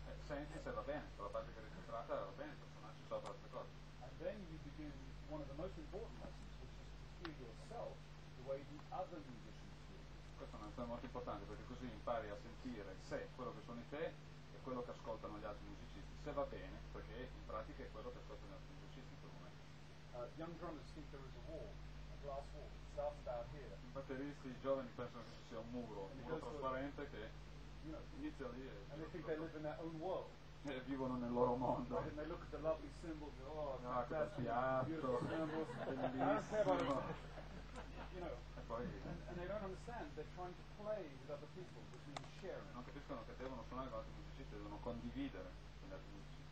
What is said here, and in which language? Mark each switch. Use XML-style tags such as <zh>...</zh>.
<it>Senti se va bene, se la parte che è registrata va bene, per suonarci sopra altre cose.</it> <en>And then you begin one of the most important lessons, which is to hear yourself the way the other musicians do.</en> <it>Questa è una cosa molto importante, perché così impari a sentire se quello che suoni te e quello che ascoltano gli altri musicisti, se va bene, perché in pratica è quello che ascoltano gli altri musicisti in quel momento.</it> <en>Young drummers think there is a wall, a glass wall, it starts about here.</en> <it>I batteristi giovani pensano che ci sia un muro trasparente che inizia lì.</it> <en>And they think they live in their own world.</en> <it>E vivono nel loro mondo.</it> <en>And they look at the lovely symbols, oh, fantastic, beautiful symbols,</en> <it>bellissimo.</it> <en>And they don't understand, they're trying to play with other people, which means sharing.</en> <it>Non capiscono che devono suonare con altri musicisti, devono condividere con altri musicisti.</it>